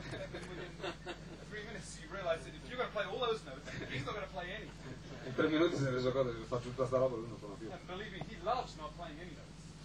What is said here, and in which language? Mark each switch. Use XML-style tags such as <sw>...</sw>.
<en>Within 3 minutes you realize that if you're gonna play all those notes, he's not gonna play any.</en> <it>In 3 minuti si è reso conto che faccio tutta sta roba e lui non suona più.</it> <en>And believe me, he loves not playing any notes.</en>